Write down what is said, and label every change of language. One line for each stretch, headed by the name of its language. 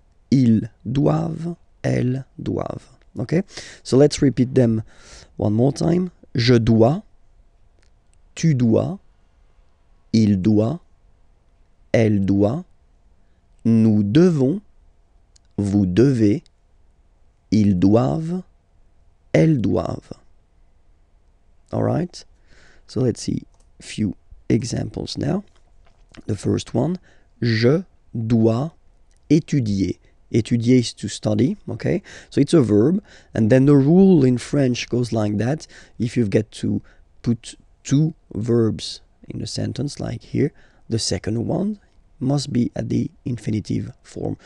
French: Ils doivent, elles doivent.
English: Okay, so let's repeat them one more time.
French: Je dois, tu dois, il doit, elle doit, nous devons, vous devez. Ils doivent, elles doivent.
English: All right? So let's see a few examples now. The first one,
French: je dois étudier.
English: Étudier is to study, okay? So it's a verb. And then the rule in French goes like that. If you get to put two verbs in a sentence, like here, the second one must be at the infinitive form.